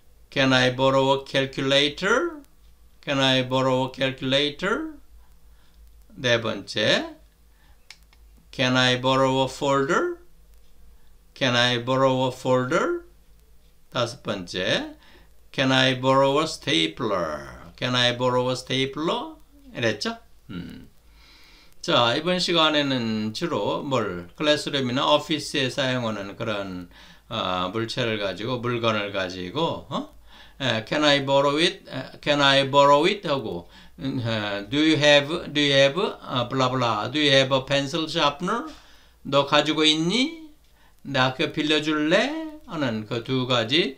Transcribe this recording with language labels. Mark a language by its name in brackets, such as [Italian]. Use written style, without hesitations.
[English] Can I borrow a calculator? Can I borrow a calculator? [Korean] 네 번째, [English] Can I borrow a folder? Can I borrow a folder? [Korean] 다섯 번째, [English] Can I borrow a stapler? Can I borrow a stapler? [Korean] 이랬죠? 자, 이번 시간에는 주로 뭘, 클래스룸이나 오피스에 사용하는 그런 물체를 가지고 물건을 가지고 [English] Can I borrow it? Can I borrow it? [Korean] 하고 [English] Do you have blah blah? Do you have a pencil sharpener? [Korean] 너 가지고 있니? 나 그 빌려줄래? 하는 그 두 가지.